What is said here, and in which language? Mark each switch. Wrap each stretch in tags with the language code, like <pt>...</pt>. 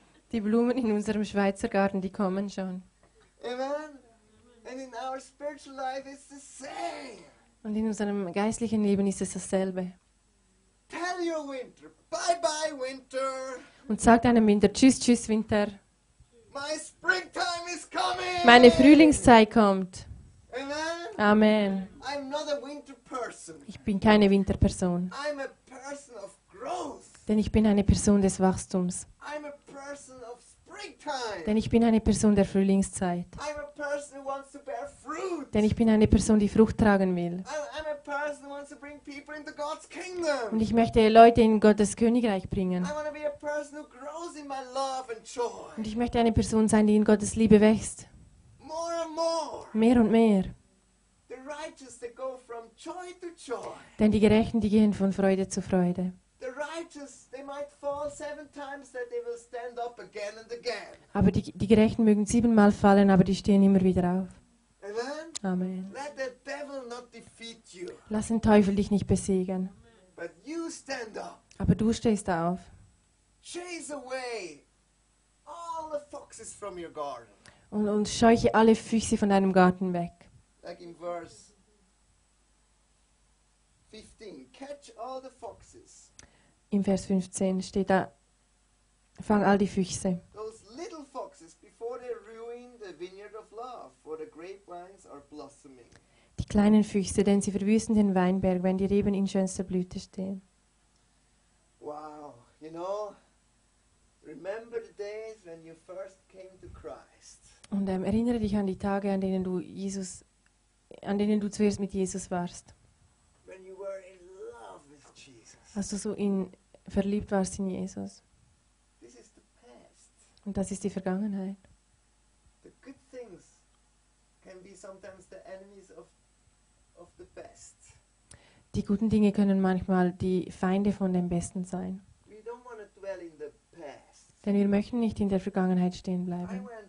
<de>Die Blumen in unserem Schweizer Garten, die kommen schon. Amen.</de> <en>And in our spiritual life, it's the same.</en> <de>Und in unserem geistlichen Leben ist es dasselbe.</de> <en>Tell your winter, bye bye winter.</en> <de>Und sag deinem Winter, tschüss, tschüss, Winter.</de> <en>My springtime is coming.</en> <de>Meine Frühlingszeit kommt. Amen. Amen.</de> <en>I'm not a winter person.</en> <de>Ich bin keine Winterperson.</de> <en>I'm a person of growth.</en> <de>Denn ich bin eine Person des Wachstums.</de> <en>I'm a person of springtime.</en> <de>Denn ich bin eine Person der Frühlingszeit.</de> <en>I'm a person who wants to bear fruit.</en> <de>Denn ich bin eine Person, die Frucht tragen will.</de> <en>I'm a person who wants to bring people into God's kingdom.</en> <de>Und ich möchte Leute in Gottes Königreich bringen.</de> <en>I want to be a person who grows in my love and joy.</en> <de>Und ich möchte eine Person sein, die in Gottes Liebe wächst.</de> <en>More and more.</en> <de>Mehr und mehr.</de> <en>The righteous, they go from joy to joy.</en> <de>Denn die Gerechten, die gehen von Freude zu Freude.</de> <en>The righteous, they might fall 7 times, that they will stand up again and again.</en> <de>Aber die Gerechten mögen 7 Mal fallen, aber die stehen immer wieder auf. Amen. Amen.</de> <en>Let the devil not defeat you.</en> <de>Lass den Teufel dich nicht besiegen.</de> <en>But you stand up.</en> <de>Aber du stehst auf.</de> <en>Chase away all the foxes from your garden.</en> <de>Und scheuche alle Füchse von deinem Garten weg.</de> <en>Like in verse 15, catch all the foxes.</en> <de>Im Vers 15 steht da, fang all die Füchse.</de> <en>Those little foxes, before they ruin the vineyard of love, for the grapevines are blossoming.</en> <de>Die kleinen Füchse, denn sie verwüsten den Weinberg, wenn die Reben in schönster Blüte stehen.</de> <en>Wow, you know, remember the days when you first came to Christ.</en> <de>Und erinnere dich an die Tage, an denen du zuerst mit Jesus warst.</de> <en>When you were in love with Jesus.</en> <de>Als du so verliebt warst in Jesus.</de> <en>This is the past.</en> <de>Und das ist die Vergangenheit.</de> <en>The good things can be sometimes the enemies of the best.</en> <de>Die guten Dinge können manchmal die Feinde von dem Besten sein.</de> <en>We don't want to dwell in the past.</en> <de>Denn wir möchten nicht in der Vergangenheit stehen bleiben.</de>